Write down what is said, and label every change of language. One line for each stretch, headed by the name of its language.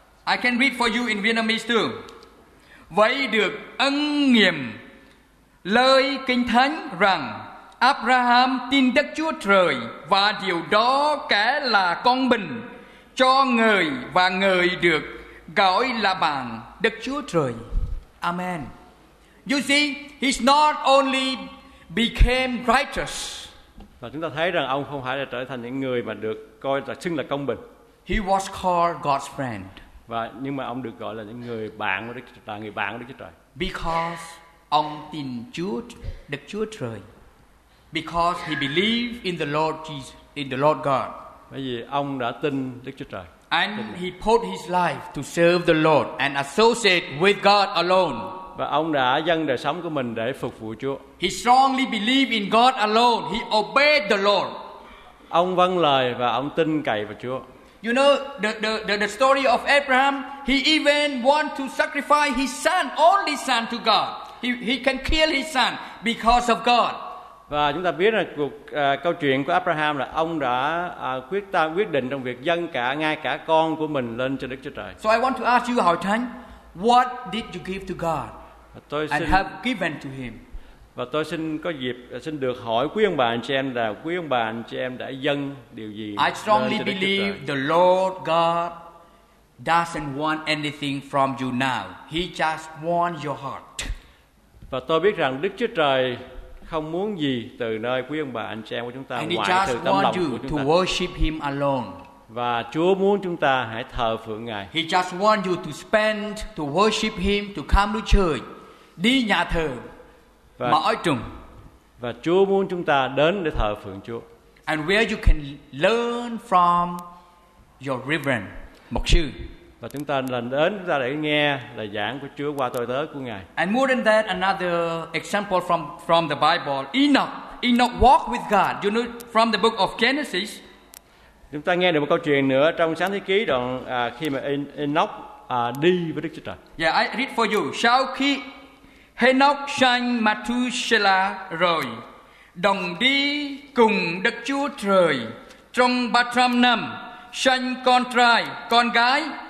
English: I can read for you in Vietnamese too.
Vietnamese: Vậy được ân nghiệm lời Kinh Thánh rằng Abraham tin Đức Chúa Trời và điều đó kể là công bình cho người và người được gọi là bạn Đức Chúa Trời.
English: Amen. You see, he's not only became righteous.
Vietnamese: Và chúng ta thấy rằng ông không phải là trở thành những người mà được coi là xưng là công bình.
English: He was called God's friend.
Vietnamese: Và nhưng mà ông được gọi là những người bạn của Đức Chúa Trời, người bạn của Đức Chúa Trời.
English: Because
Vietnamese: ông tin Chúa, Đức Chúa Trời.
English: Because he believed in the Lord Jesus, in the Lord God.
Vietnamese: Bởi vì ông đã tin Đức Chúa Trời.
English: And he put his life to serve the Lord and associate with God alone.
Vietnamese: Và ông đã dâng đời sống của mình để phục vụ Chúa.
English: He strongly believed in God alone. He obeyed the Lord.
Vietnamese: Ông vâng lời và ông tin cậy vào Chúa.
English: You know the story of Abraham. He even want to sacrifice his son, only son, to God. He can kill his son because of God.
Vietnamese: Và chúng ta biết là câu chuyện của Abraham là ông đã quyết định trong việc dâng cả ngay cả con của mình lên cho Đức Chúa Trời.
English: So I want to ask you,
Vietnamese: Hội Thánh,
English: what did you give to God?
Vietnamese: Tôi xin,
English: and have given to him.
Vietnamese: Và tôi xin có dịp xin được hỏi quý ông bà anh chị em là quý ông bà anh chị em đã dâng điều gì?
English: I strongly believe the Lord God doesn't want anything from you now. He just wants your heart.
Vietnamese: Và tôi biết rằng Đức Chúa Trời không muốn gì từ nơi quý ông bà anh chị em của chúng ta
English: and
Vietnamese: ngoại trừ tấm lòng của chúng ta.
English: Worship him alone.
Vietnamese: Và Chúa muốn chúng ta hãy thờ phượng Ngài.
English: He just want you to spend to worship him, to come to church.
Vietnamese: Đi nhà thờ mỗi tuần. Và Chúa muốn chúng ta đến để thờ phượng Chúa.
English: And where you can learn from your reverend,
Vietnamese: mục sư. Và chúng ta lần đến chúng ta để nghe lời giảng của Chúa qua tôi tớ của Ngài.
English: And more than that, another example from the Bible, Enoch. Enoch walked with God. You know, from the book of Genesis.
Vietnamese: Chúng ta nghe được một câu chuyện nữa trong Sáng Thế Ký đoạn khi mà Enoch đi với Đức Chúa Trời.
English: Yeah, I read for you.
Vietnamese: Sau khi Enoch sanh Methuselah rồi, đồng đi cùng Đức Chúa Trời trong 300 năm, sanh con trai, con gái.